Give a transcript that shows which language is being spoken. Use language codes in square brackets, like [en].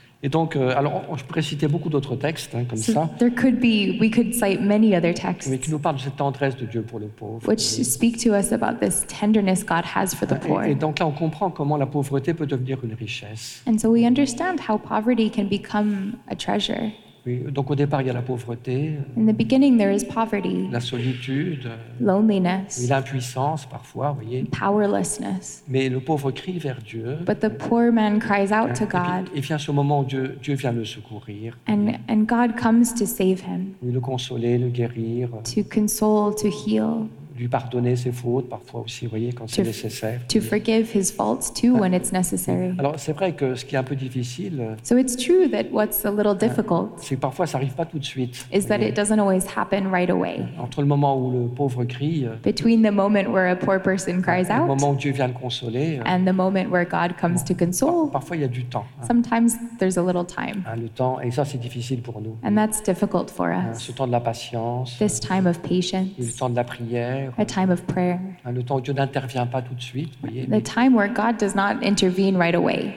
[fr] Et donc, alors, je pourrais citer beaucoup d'autres textes, hein, comme [en] so [fr] ça. [en] There could be, we could cite many other texts. [fr] Mais qui nous parlent de cette tendresse de Dieu pour le pauvre. [en] Which speak to us about this tenderness God has for the poor. [fr] Et donc là, on comprend comment la pauvreté peut devenir une richesse. [en] And so we understand how poverty can become a treasure. [fr] Oui, donc au départ, il y a la pauvreté. [en] In the beginning, there is poverty. [fr] La solitude. [en] Loneliness. [fr] Oui, l'impuissance, parfois, vous voyez. [en] Powerlessness. [fr] Mais le pauvre crie vers Dieu. [en] But the poor man cries out to God. [fr] Et vient ce moment où Dieu vient le secourir. [en] And God comes to save him. [fr] Oui, le consoler, le guérir. [en] To console, to heal. [fr] Lui pardonner ses fautes, parfois aussi, vous voyez, quand c'est nécessaire. [en] To forgive his faults too when it's necessary. [fr] Alors, c'est vrai que ce qui est un peu difficile. [en] So it's true that what's a little difficult. [fr] C'est que parfois, ça n'arrive pas tout de suite. [en] Is that it doesn't always happen right away. [fr] Entre le moment où le pauvre crie. [en] Between the moment where a poor person cries out. [fr] Le moment où Dieu vient le consoler. [en] And the moment where God comes to console. [fr] Parfois, il y a du temps. [en] Sometimes there's a little time. [fr] Le temps, et ça, c'est difficile pour nous. [en] And that's difficult for us. [fr] Ce temps de la patience. [en] This time of patience. [fr] Le temps de la prière. prière, [en] a time of prayer. [fr] Le temps où Dieu n'intervient pas tout de suite, vous voyez, [en] the time where God does not intervene right away.